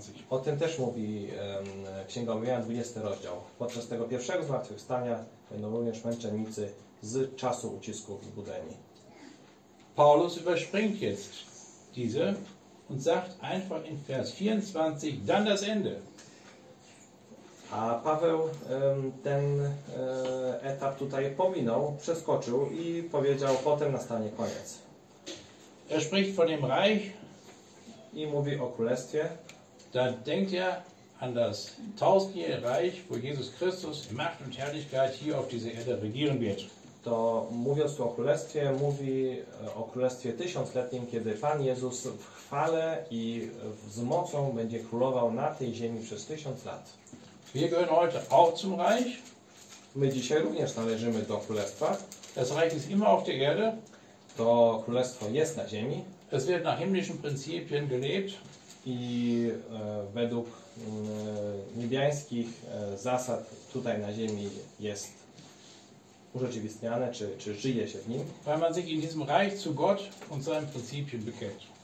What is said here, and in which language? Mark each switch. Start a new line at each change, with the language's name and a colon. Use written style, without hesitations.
Polish: O tym też mówi Księga Objawienia, 20 rozdział. Podczas tego pierwszego zmartwychwstania będą również męczennicy z czasu ucisku wzbudzeni.
German: Paulus überspringt jetzt diese und sagt einfach in Vers 24 dann das Ende.
Polish: A Paweł ten etap tutaj pominął, przeskoczył i powiedział, potem nastanie koniec.
German: Er spricht von dem Reich.
Polish: I mówi o Królestwie.
German: Da denkt er an das tausendjährige Reich, wo Jesus Christus in Macht und Herrlichkeit hier auf dieser Erde regieren wird.
Polish: To mówiąc tu o Królestwie, mówi o Królestwie tysiącletnim, kiedy Pan Jezus w chwale i z mocą będzie królował na tej ziemi przez tysiąc lat.
German: Wir gehören heute auch zum Reich.
Polish: My dzisiaj również należymy do Królestwa.
German: Das Reich ist immer auf der Erde.
Polish: To Królestwo jest na ziemi.
German: Es wird nach himmlischen Prinzipien gelebt.
Polish: I według niebiańskich zasad tutaj na ziemi jest urzeczywistniane, czy żyje się w nim.
German: Weil man sich in diesem Reich zu Gott und seinen Prinzipien bekennt.